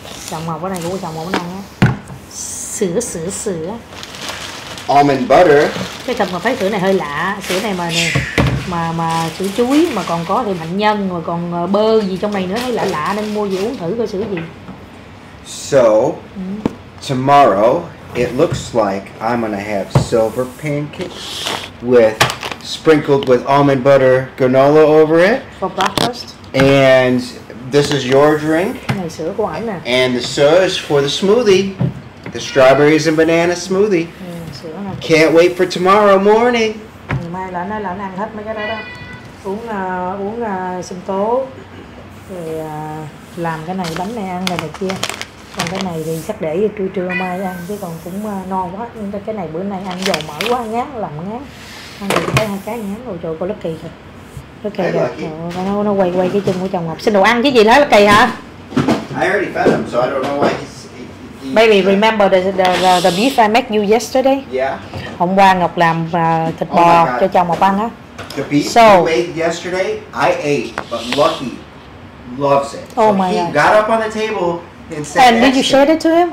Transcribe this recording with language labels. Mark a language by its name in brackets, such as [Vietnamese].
[Vietnamese] Chồng Ngọc cái này cũng chồng Ngọc ăn á. Sữa sữa sữa. [English] Almond butter. [Vietnamese] Cái chồng Ngọc thấy sữa này hơi lạ, sữa này mà nè. Mà sữa chuối mà còn có thì hạnh nhân mà còn bơ gì trong này nữa thấy lạ lạ nên mua về uống thử coi sữa gì. [English] So tomorrow it looks like I'm gonna have silver pancakes with sprinkled with almond butter granola over it for breakfast. And this is your drink. [Vietnamese] Này sữa của ảnh nè. [English] And the soda is for the smoothie, the strawberries and banana smoothie. [Vietnamese] Sữa [English] can't wait for tomorrow morning. [Vietnamese] Mai là nó ăn hết mấy cái đó đó. Uống uống sinh tố. Rồi làm cái này bánh này ăn rồi này kia. Còn cái này thì chắc để trưa trưa mai ăn chứ còn cũng no quá. Nhưng cái này bữa nay ăn dầu mỡ quá ngán, lòng ngán. Ăn được cái hai cái ngán rồi trời coi nó kỳ thật. Rất kỳ rồi. Nó quay quay cái chân của chồng Ngọc. Xin đồ ăn chứ gì nói là kỳ hả? [English] I already fed him, so I don't know why he's... Baby, remember the beef I made you yesterday? Yeah. [Vietnamese] Hôm qua Ngọc làm thịt bò cho chồng Ngọc ăn á. [English] The beef so, you made yesterday, I ate, but Lucky loves it. Oh so my he God. He got up on the table and said, and did you share it to him?